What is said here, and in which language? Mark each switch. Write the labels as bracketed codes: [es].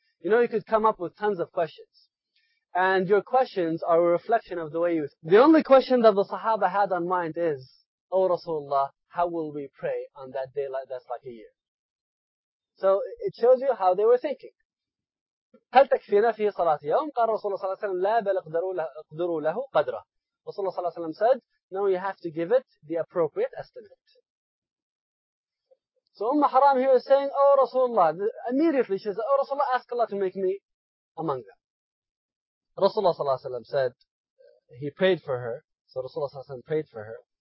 [en] You know, you could come up with tons of questions. And your questions are a reflection of the way you think. The only question that the Sahaba had on mind is, O Rasulullah, how will we pray on that day that's like a year? So it shows you how they were thinking. [ar] هل تكفينا في صلاة يوم؟ قال رسول الله صلى الله عليه وسلم لا بل اقدروا له قدره. [en] رسول الله صلى الله عليه وسلم said, no, you have to give it the appropriate estimate. So Umm Haram here is saying, oh Rasulullah, immediately she says, oh Rasulullah, ask Allah to make me among them. Rasulullah صلى الله عليه وسلم said, he prayed for her. So Rasulullah صلى الله عليه وسلم prayed for her.